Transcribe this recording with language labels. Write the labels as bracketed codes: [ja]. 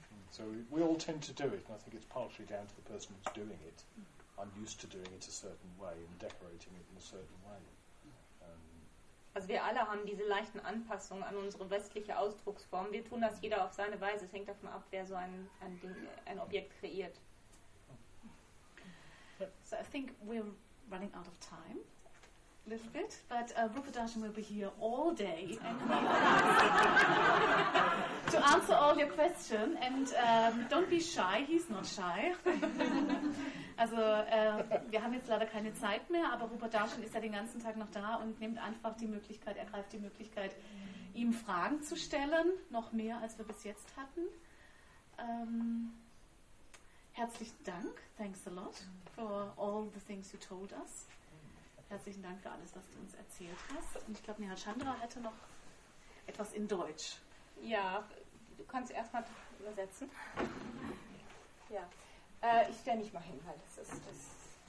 [en] So we all tend to do it, and I think it's partially down to the person who's doing it. I'm used to doing it a certain way and decorating it in a certain way. [de] Also wir alle haben diese leichten Anpassungen an unsere westliche Ausdrucksform. Wir tun das jeder auf seine Weise. Es hängt davon ab, wer so ein Objekt kreiert. [en] So I think we're running out of time a little bit, but Rupa Darshan will be here all day to answer all your questions. And don't be shy, he's not shy. [de] Also wir haben jetzt leider keine Zeit mehr, aber Rupa Darshan ist ja den ganzen Tag noch da und nimmt einfach die Möglichkeit, ergreift die Möglichkeit, ihm Fragen zu stellen, noch mehr als wir bis jetzt hatten. Herzlichen Dank, [en] thanks a lot for all the things you told us. [de] Herzlichen Dank für alles, was du uns erzählt hast. Und ich glaube, Neha Chandra hatte noch etwas in Deutsch. Ja, du kannst erstmal übersetzen. Ja, ich stelle mich mal hin, weil das ist... Das ist